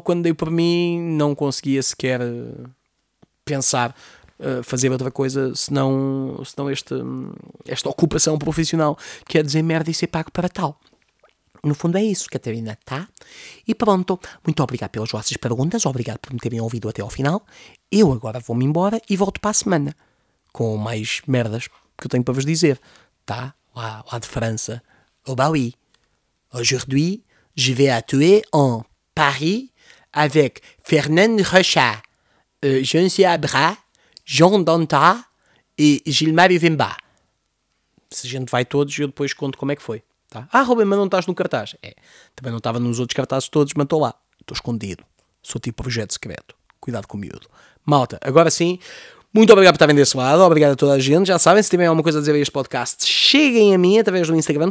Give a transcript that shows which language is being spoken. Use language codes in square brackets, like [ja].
[pt] Quando dei por mim, não conseguia sequer pensar fazer outra coisa senão esta ocupação profissional, que é dizer merda e ser pago para tal. No fundo é isso, Catarina, tá? E pronto, muito obrigado pelas vossas perguntas, obrigado por me terem ouvido até ao final. Eu agora vou-me embora e volto para a semana com mais merdas que eu tenho para vos dizer, tá? Lá de França. [fr] Oh, bah oui. Aujourd'hui, je vais atuer en Paris avec Fernand Rocha, Jean-Cia Abra, Jean Danta e Gilmario Vimba. [pt] Se a gente vai todos, eu depois conto como é que foi. Tá? Ah, Rubem, mas não estás no cartaz. É, também não estava nos outros cartazes todos, mas estou lá. Estou escondido. Sou tipo projeto secreto. Cuidado com o miúdo. Malta, agora sim, muito obrigado por estarem desse lado. Obrigado a toda a gente. Já sabem, se tiverem alguma coisa a dizer a este podcast, cheguem a mim através do Instagram.